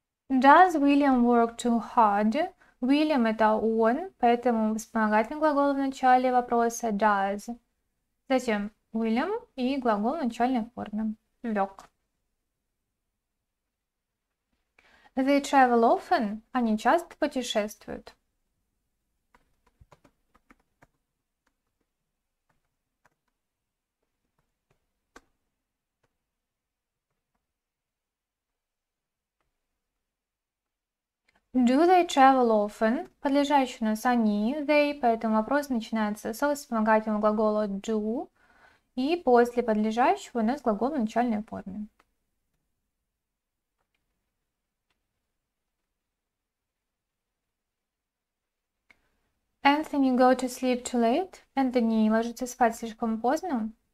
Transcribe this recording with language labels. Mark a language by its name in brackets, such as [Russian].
[English] Does William work too hard? [Russian] William это он, поэтому вспомогательный глагол в начале вопроса does. Затем William и глагол в начальной форме. [English] Work. They travel often. [Russian] Они часто путешествуют. [English] Do they travel often? [Russian] Подлежащий у нас они, they, поэтому вопрос начинается со вспомогательного глагола do, и после подлежащего у нас глагол в начальной форме. [English] Anthony go to sleep too late? [Russian] Anthony ложится спать слишком поздно.